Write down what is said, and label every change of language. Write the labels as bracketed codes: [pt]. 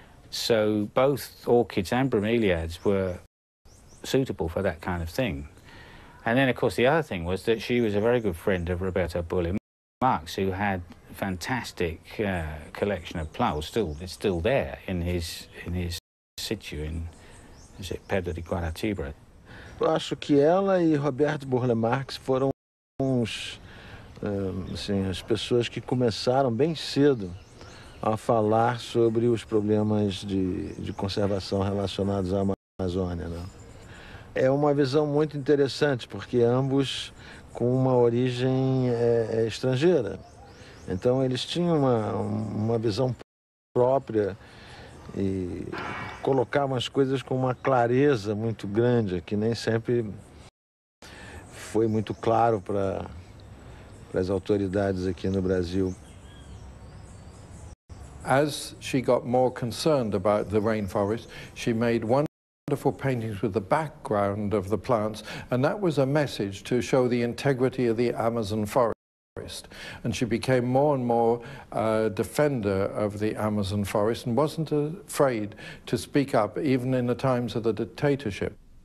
[en] So both orchids and bromeliads were suitable for that kind of thing. And then, of course, the other thing was that she was a very good friend of Roberto Bulli Marx, who had a fantastic collection of plants. It's still there in his situ in, is it Pedra de Guaratiba? [pt] Eu acho que ela e Roberto Bulli Marx foram as pessoas que começaram bem cedo a falar sobre os problemas de conservação relacionados à Amazônia, né? É uma visão muito interessante, porque ambos com uma origem estrangeira. Então, eles tinham uma visão própria e colocavam as coisas com uma clareza muito grande, que nem sempre foi muito claro para as autoridades aqui no Brasil. [en] As she got more concerned about the rainforest, she made one wonderful paintings with the background of the plants, and that was a message to show the integrity of the Amazon forest. And she became more and more a defender of the Amazon forest and wasn't afraid to speak up, even in the times of the dictatorship.